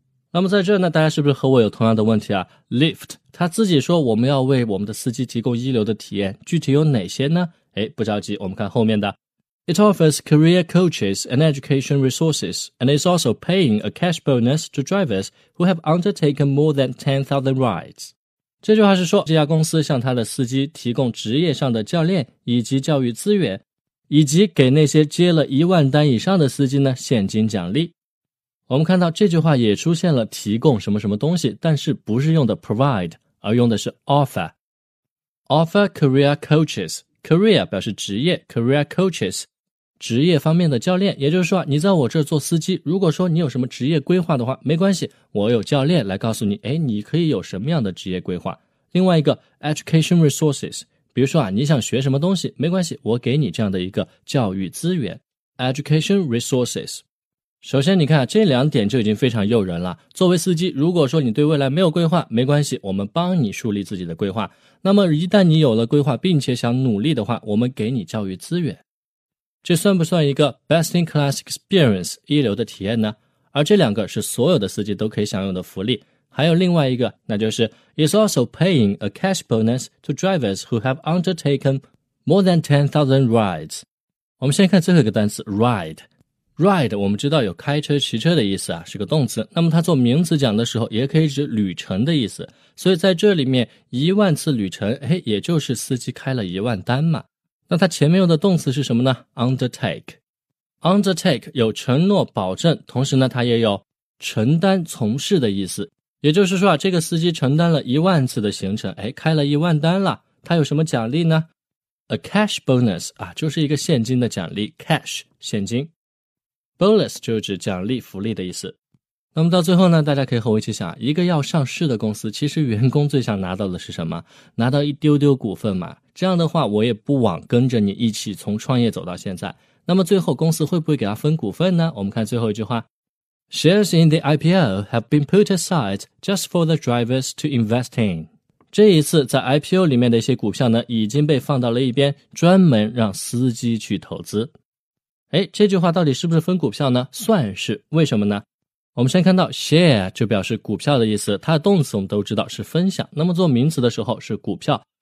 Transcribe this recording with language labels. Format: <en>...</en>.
<zh>那么在这呢，大家是不是和我有同样的问题啊？Lyft, 他自己说我们要为我们的司机提供一流的体验，具体有哪些呢？诶，不着急，我们看后面的。</zh> <en>It offers career coaches and education resources, and is also paying a cash bonus to drivers who have undertaken more than 10,000 rides.</en> <zh>这句话是说，这家公司向他的司机提供职业上的教练以及教育资源，以及给那些接了一万单以上的司机呢现金奖励。我们看到这句话也出现了提供什么什么东西，但是不是用的 provide, 而用的是 offer。</zh> <en>offer career coaches,</en> <zh>career 表示职业， career coaches, 职业方面的教练，也就是说你在我这做司机，如果说你有什么职业规划的话，没关系，我有教练来告诉你，诶，你可以有什么样的职业规划。另外一个 education resources,比如说啊，你想学什么东西，没关系，我给你这样的一个教育资源 ,education resources。首先你看，这两点就已经非常诱人了。作为司机，如果说你对未来没有规划，没关系，我们帮你树立自己的规划。那么一旦你有了规划并且想努力的话，我们给你教育资源。这算不算一个</zh> <en>best in class experience,</en> <zh>一流的体验呢？而这两个是所有的司机都可以享有的福利。还有另外一个，那就是</zh> <en>It's also paying a cash bonus to drivers who have undertaken more than 10,000 rides.</en> <zh>我们先看最后一个单词 ride. Ride 我们知道有开车骑车的意思啊，是个动词，那么它做名词讲的时候也可以指旅程的意思，所以在这里面一万次旅程，诶，也就是司机开了一万单嘛。那它前面用的动词是什么呢？</zh> <en>Undertake.</en> <zh>Undertake 有承诺保证，同时呢它也有承担从事的意思，也就是说啊，这个司机承担了一万次的行程，诶，开了一万单了，他有什么奖励呢？</zh> <en>A cash bonus,</en> <zh>啊，就是一个现金的奖励， cash, 现金。 Bonus 就是指奖励福利的意思。那么到最后呢，大家可以和我一起想，一个要上市的公司，其实员工最想拿到的是什么？拿到一丢丢股份嘛。这样的话，我也不枉跟着你一起从创业走到现在。那么最后公司会不会给他分股份呢？我们看最后一句话。</zh> <en>Shares in the IPO have been put aside just for the drivers to invest in.</en> <zh>这一次在 IPO 里面的一些股票呢，已经被放到了一边，专门让司机去投资。诶，这句话到底是不是分股票呢？算是。为什么呢？我们先看到 share 就表示股票的意思，它的动词我们都知道是分享，那么做名词的时候是股票。</zh>